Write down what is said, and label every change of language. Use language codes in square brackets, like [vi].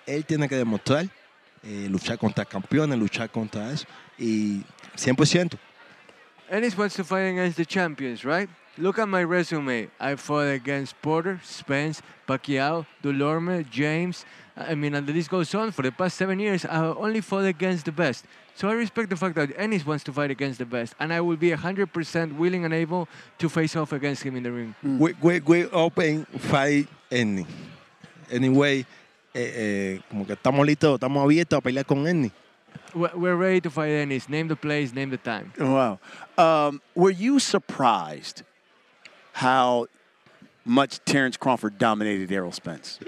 [es] Él tiene que demostrar, luchar contra campeones, luchar contra eso. Y 100%. [en] Ennis wants to fight against the champions, right? Look at my resume. I fought against Porter, Spence, Pacquiao, Dulorme, James. I mean, and the list goes on. For the past 7 years, I only fought against the best. So I respect the fact that Ennis wants to fight against the best, and I will be 100% willing and able to face off against him in the ring. Mm. We open fight Ennis. [es] Anyway, como que estamos listos, estamos abiertos a pelear con Ennis. [en] We're ready to fight Ennis. Name the place, name the time. Wow. Were you surprised how much Terrence Crawford dominated Errol Spence?